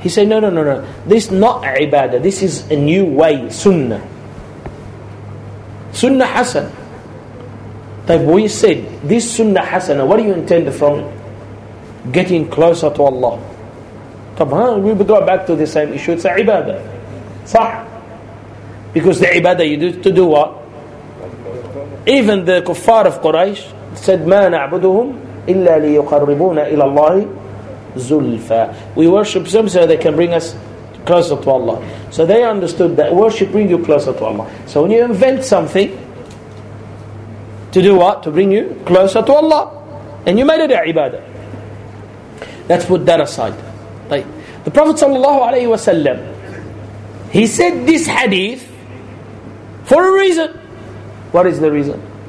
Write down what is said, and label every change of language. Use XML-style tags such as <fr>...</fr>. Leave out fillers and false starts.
<en>He said, no. This not ibadah. This is a new way, Sunnah. Sunnah Hasan. Type, we said, this Sunnah Hasan, what do you intend from it? Getting closer to Allah. We go back to the same issue. It's a ibadah. Sah? Because the ibadah you do, to do what? Even the kuffar of Quraysh said,</en> <ar>ما نعبدهم إلا ليقربونا إلى الله زلفا.</ar> <en>We worship them so they can bring us closer to Allah. So they understood that worship brings you closer to Allah. So when you invent something, to do what? To bring you closer to Allah. And you made it a ibadah. Let's put that aside. The Prophet sallallahu alayhi wa sallam, he said this hadith for a reason. What is the reason?</en>